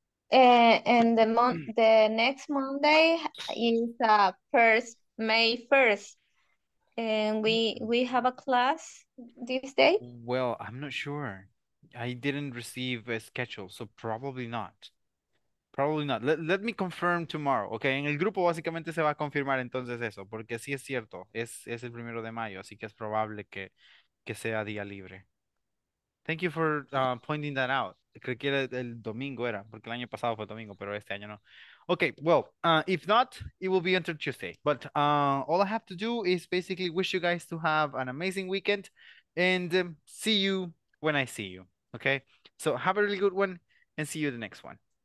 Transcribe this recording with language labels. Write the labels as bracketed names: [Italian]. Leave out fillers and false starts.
[English] And the next Monday is May 1st. And we have a class this day? Well, I'm not sure. I didn't receive a schedule, so probably not. Probably not. Let me confirm tomorrow, okay? [Spanish] En el grupo básicamente se va a confirmar entonces eso, porque sí es cierto, es el primero de mayo, así que es probable que sea día libre. [English] Thank you for pointing that out. [Spanish] Creo que el domingo era, porque el año pasado fue domingo, pero este año no. [English] Okay, well, if not, it will be until Tuesday. But all I have to do is basically wish you guys to have an amazing weekend, and see you when I see you, okay? So have a really good one, and see you the next one.